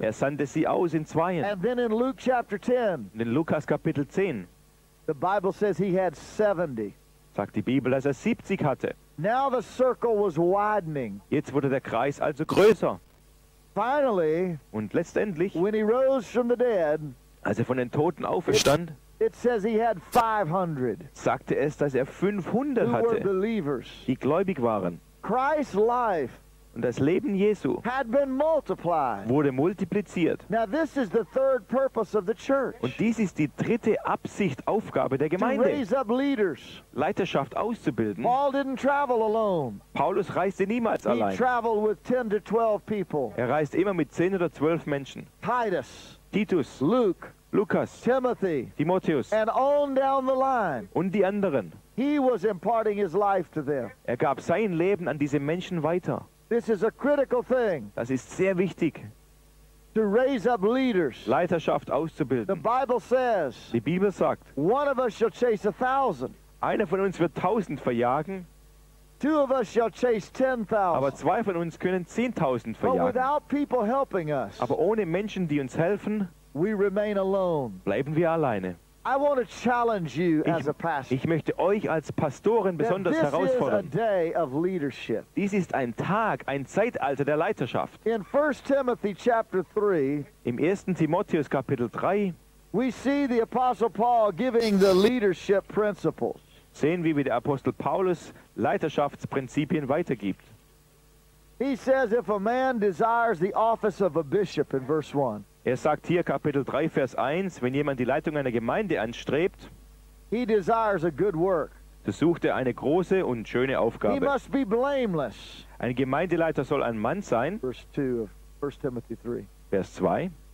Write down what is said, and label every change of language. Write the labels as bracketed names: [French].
[German] Er sandte sie aus in Zweien. [English] And then in Luke chapter 10. [German] Und in Lukas Kapitel 10. [English] The Bible says he had 70. [German] Sagt die Bibel, dass er 70 hatte. [English] Now the circle was widening. [German] Jetzt wurde der Kreis also größer. [English] Finally. [German] Und letztendlich. [English] When he rose from the dead. [German] Als er von den Toten auferstand. [English] It says he had 500. [German] Sagte es, dass er 500 hatte. [English] Who were believers. [German] Die gläubig waren. [English] Christ's life, [German] und das Leben Jesu, [English] had been multiplied. [German] Wurde multipliziert. [English] Now this is the third purpose of the church. [German] Und dies ist die dritte Absicht, Aufgabe der Gemeinde. [English] To raise up leaders. [German] Leiterschaft auszubilden. [English] Paul didn't travel alone. [German] Paulus reiste niemals allein. [English] He traveled with 10 to 12 people. [German] Er reiste immer mit 10 oder 12 Menschen. [English] Titus. [German] Titus. [English] Luke. [German] Lukas. [English] Timothy. [German] Timotheus. [English] And on down the line. [German] Und die anderen. [English] He was imparting his life to them. [German] Er gab sein Leben an diese Menschen weiter. [English] This is a critical thing. [German] Das ist sehr wichtig. [English] To raise up leaders. [German] Leiterschaft auszubilden. [English] The Bible says. [German] Die Bibel sagt. [English] One of us shall chase 1,000. [German] Einer von uns wird 1,000 verjagen. [English] Two of us shall chase 10,000. [German] Aber zwei von uns können 10,000 verjagen. [English] But without people helping us. [German] Aber ohne Menschen, die uns helfen. [English] We remain alone. [German] Bleiben wir alleine. [English] I want to challenge you as a pastor. [German] Ich möchte euch als Pastoren besonders herausfordern. [English] This is a day of leadership. [German] Dies ist ein Tag, ein Zeitalter der Leiterschaft. [English] In 1 Timothy chapter 3, [German] im 1. Timotheus Kapitel 3, [English] we see the apostle Paul giving the leadership principles. [German] Sehen wir, wie der Apostel Paulus Leiterschaftsprinzipien weitergibt. [English] He says, if a man desires the office of a bishop, in verse 1, [German] er sagt hier, Kapitel 3, Vers 1, wenn jemand die Leitung einer Gemeinde anstrebt, [English] he desires a good work. [German] So sucht er eine große und schöne Aufgabe. [English] He must be blameless. [German] Ein Gemeindeleiter soll ein Mann sein. [English] Verse 2 of 1 Timothy 3. [German] Vers 2.